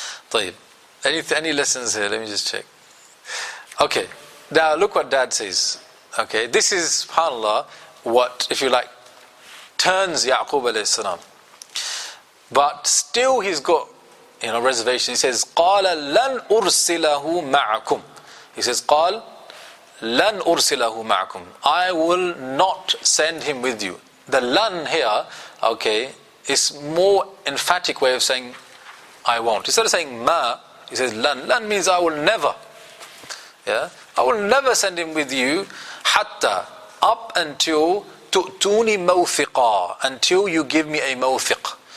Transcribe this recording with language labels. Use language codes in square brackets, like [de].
[en] طيب. Any lessons here? Let me just check. Okay. Now, look what Dad says. Okay. This is, subhanAllah, what, if you like, turns Ya'qub alayhi salam. But still he's got, you know, reservation. He says, [ar] قَالَ لَنْ أُرْسِلَهُ مَعَكُمْ. He says, قَالَ لَنْ أُرْسِلَهُ مَعَكُمْ. [en] I will not send him with you. The lan here, okay, is more emphatic way of saying, I won't. Instead of saying ma, he says lan. Lan means I will never. Yeah, I will never send him with you, hatta, up until [ar] tu'tuni mawthiqa, [en] until you give me a mawthiq.